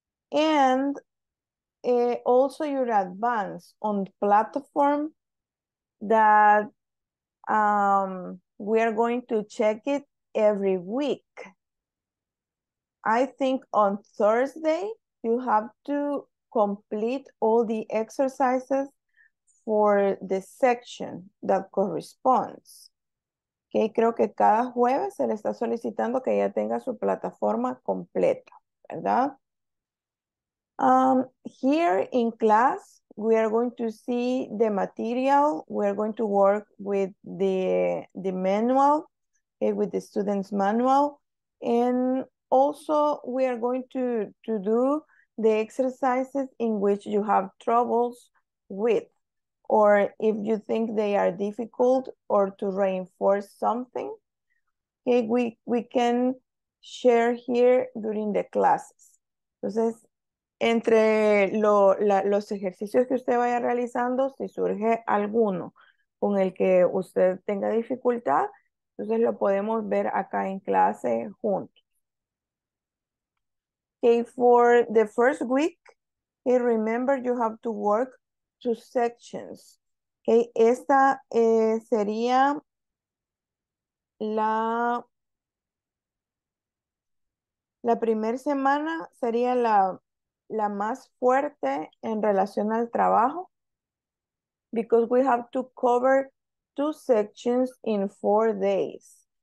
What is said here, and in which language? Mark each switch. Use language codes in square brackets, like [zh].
[en] And also your advance on platform that we are going to check it every week. I think on Thursday, you have to complete all the exercises for the section that corresponds. [es] Okay, creo que cada jueves se le está solicitando que ya tenga su plataforma completa, ¿verdad? [en] Here in class, we are going to see the material. We are going to work with the manual, okay, with the student's manual. And also, we are going to do the exercises in which you have troubles with, or if you think they are difficult, or to reinforce something, okay, we can share here during the classes. [es] Entonces, entre los ejercicios que usted vaya realizando, si surge alguno con el que usted tenga dificultad, entonces lo podemos ver acá en clase juntos. [en] Okay, for the first week, okay, remember you have to work two sections. [es] Okay, esta sería la primera semana, sería la más fuerte en relación al trabajo, because we have to cover two sections in 4 days.